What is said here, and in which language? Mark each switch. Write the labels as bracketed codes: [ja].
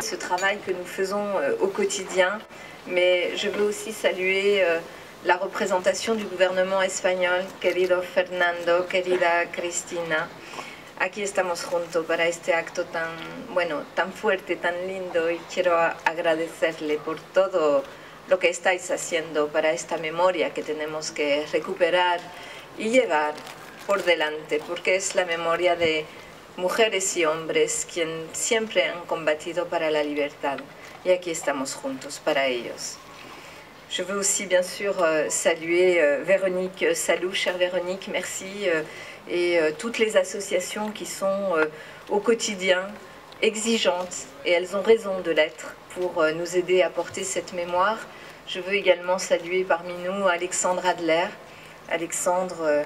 [fr] Ce travail que nous faisons au quotidien, mais je veux aussi saluer la représentation du gouvernement espagnol, [es] querido Fernando, querida Cristina. Aquí estamos juntos para este acto tan, bueno, tan fuerte, tan lindo, y quiero agradecerle por todo lo que estáis haciendo para esta memoria que tenemos que recuperar y llevar por delante, porque es la memoria de mujeres y hombres quien siempre han combatido para la libertad, y aquí estamos juntos para ellos. [fr] Je veux aussi bien sûr saluer Véronique Salou, chère Véronique, merci, et toutes les associations qui sont au quotidien exigeantes, et elles ont raison de l'être, pour nous aider à porter cette mémoire. Je veux également saluer parmi nous Alexandre Adler. Alexandre...